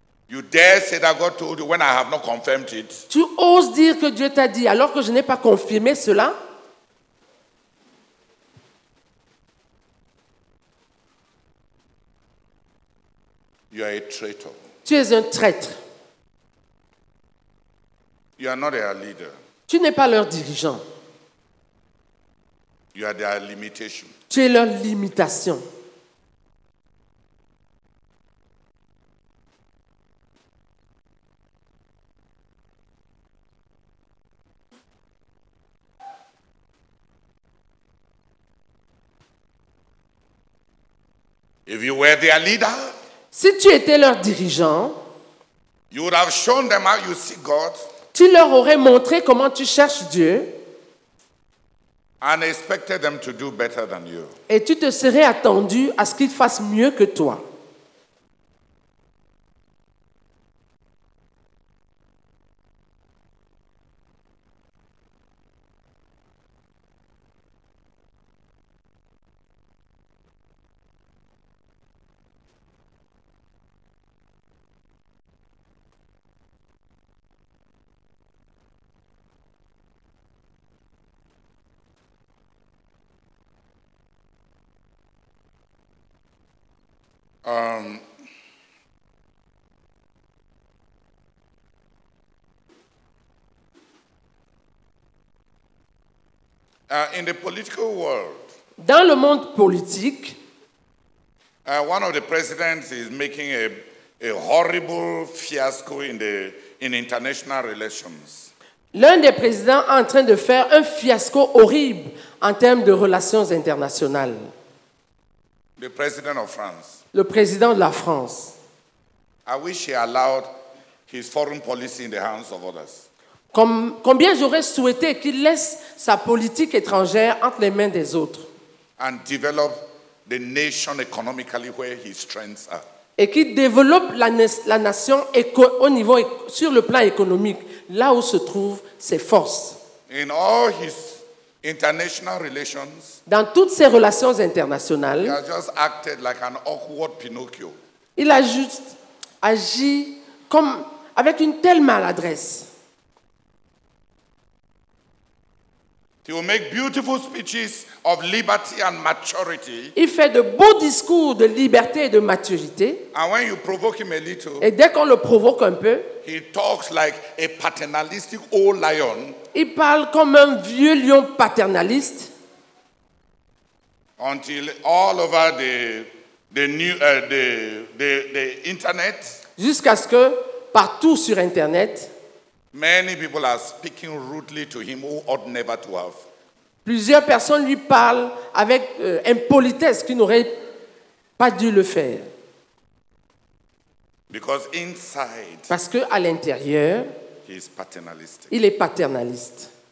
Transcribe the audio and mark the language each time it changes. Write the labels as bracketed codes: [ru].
[en] You dare say that God told you when I have not confirmed it. [fr] Tu oses dire que Dieu t'a dit alors que je n'ai pas confirmé cela. [en] You are a traitor. [fr] Tu es un traître. [en] You are not their leader. [fr] Tu n'es pas leur dirigeant. [en] You are their limitation. [fr] Tu es leur limitation. [en] If you were their leader, [fr] si tu étais leur dirigeant, [en] you would have shown them how you see God, [fr] tu leur aurais montré comment tu cherches Dieu [en] and expected them to do better than you. [fr] Et tu te serais attendu à ce qu'ils fassent mieux que toi. [en] In the political world, [fr] dans le monde politique, [en] one of the presidents is making a horrible fiasco in the in international relations. [fr] L'un des présidents est en train de faire un fiasco horrible en termes de relations internationales. [en] The president of France. [fr] Le président de la France. [en] I wish he allowed his foreign policy in the hands of others. [fr] Combien j'aurais souhaité qu'il laisse sa politique étrangère entre les mains des autres. [en] And develop the nation economically where his strengths are. [fr] Et qu'il développe la nation au niveau sur le plan économique, là où se trouvent ses forces. [en] In all his international relations, [fr] dans toutes ses relations internationales, [en] he has just acted like an awkward Pinocchio. [fr] Il a juste agi comme avec une telle maladresse. [en] He will make beautiful speeches of liberty and maturity. [fr] Il fait de beaux discours de liberté et de maturité. [en] And when you provoke him a little, [fr] et dès qu'on le provoque un peu, [en] he talks like a paternalistic old lion. [fr] Il parle comme un vieux lion paternaliste. [en] Until all over the internet. [fr] Jusqu'à ce que partout sur internet. [en] Many people are speaking rudely to him who ought never to have. [fr] Plusieurs personnes lui parlent avec impolitesse qui n'aurait pas dû le faire. [en] Because inside, [fr] parce que à l'intérieur, [en] he is paternalistic. [fr] Il est paternaliste.